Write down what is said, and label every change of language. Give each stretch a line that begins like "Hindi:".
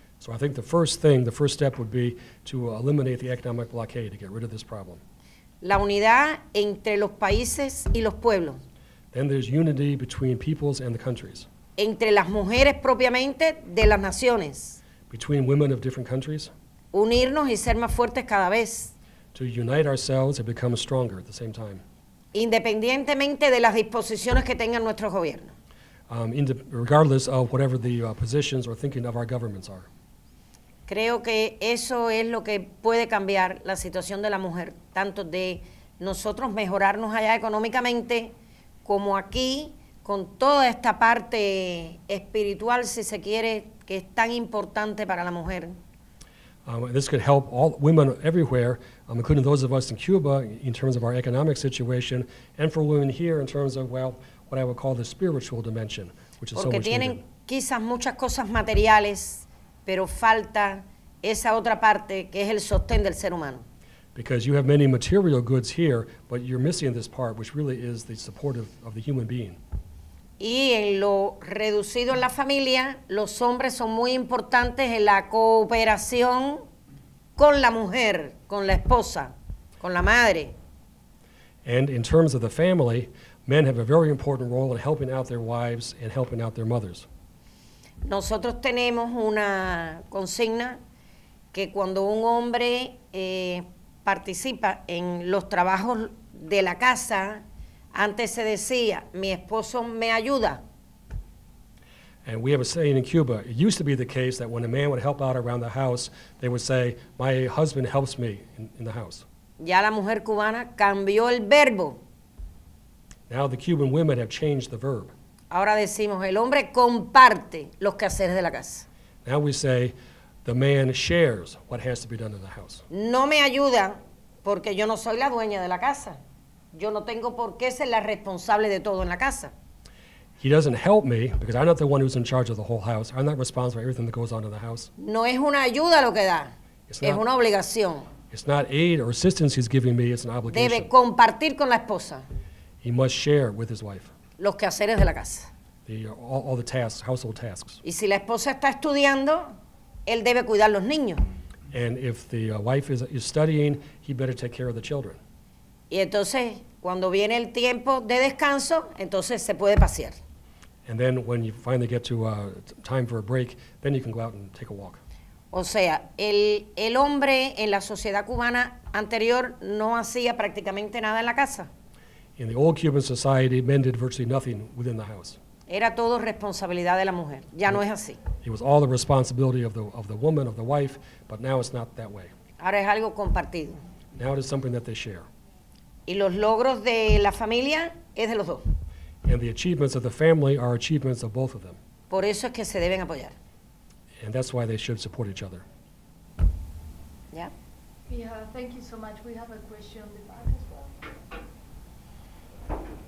English: So I think the first step would be to eliminate the economic blockade, to get rid of this problem.
Spanish: La unidad entre los países y los pueblos.
English: Then there's unity between peoples and the countries.
Spanish: Entre las mujeres propiamente de las naciones.
English: Between women of different countries.
Spanish: Unirnos y ser más fuertes cada vez.
English: To unite ourselves and become stronger at the same time.
Spanish: Independientemente de las disposiciones que tengan nuestros gobiernos.
English: Regardless of whatever the positions or thinking of our governments are.
Spanish: Creo que eso es lo que puede cambiar la situación de la mujer, tanto de nosotros mejorarnos allá económicamente, como aquí, con toda esta parte espiritual, si se quiere, que es tan importante para la mujer.
English: This could help all women everywhere, including those of us in Cuba, in terms of our economic situation, and for women here in terms of, well, what I would call the spiritual dimension, which is
Spanish: porque
English: so much
Spanish: tienen
English: needed.
Spanish: Quizás muchas cosas materiales, pero falta esa otra parte que es el sostén del ser humano.
English: Because you have many material goods here, but you're missing this part, which really is the support of the human being.
Spanish: Y en lo reducido en la familia, los hombres son muy importantes en la cooperación con la mujer, con la esposa, con la madre.
English: And in terms of the family, men have a very important role in helping out their wives and helping out their mothers.
Spanish: Nosotros tenemos una consigna que cuando un hombre participa en los trabajos de la casa, antes se decía, mi esposo me ayuda.
English: And we have a saying in Cuba, it used to be the case that when a man would help out around the house, they would say, my husband helps me in the house.
Spanish: Ya la mujer cubana cambió el verbo.
English: Now the Cuban women have changed the verb.
Spanish: Ahora decimos, el hombre comparte los quehaceres de la casa.
English: Now we say, the man shares what has to be done in the house.
Spanish: No me ayuda porque yo no soy la dueña de la casa. Yo no tengo por qué ser la responsable de todo en la casa.
English: He doesn't help me because I'm not the one who's in charge of the whole house. I'm not responsible for everything that goes on in the house.
Spanish: No es una ayuda lo que da. Es una obligación.
English: It's not aid or assistance he's giving me. It's an obligation.
Spanish: Debe compartir con la esposa.
English: He must share with his wife.
Spanish: Los quehaceres de la casa.
English: All the tasks, household tasks.
Spanish: Y si la esposa está estudiando, él debe cuidar los niños.
English: And if the wife is studying, he better take care of the children.
Spanish: Y entonces, cuando viene el tiempo de descanso, entonces se puede pasear.
English: And then when you finally get to time for a break, then you can go out and take a walk.
Spanish: O sea, el hombre en la sociedad cubana anterior no hacía prácticamente nada en la casa.
English: In the old Cuban society, men did virtually nothing within the house.
Spanish: Era todo responsabilidad de la mujer. Ya no es así.
English: It was all the responsibility of the woman, of the wife, but now it's not that way.
Spanish: Ahora es algo compartido.
English: Now it is something that they share.
Spanish: Y los logros de la familia es de los dos.
English: And the achievements of the family are achievements of both of them.
Spanish: Por eso es que se deben apoyar.
English: And that's why they should support each other. Yeah. Yeah, thank you so much. We have a question on the back as well.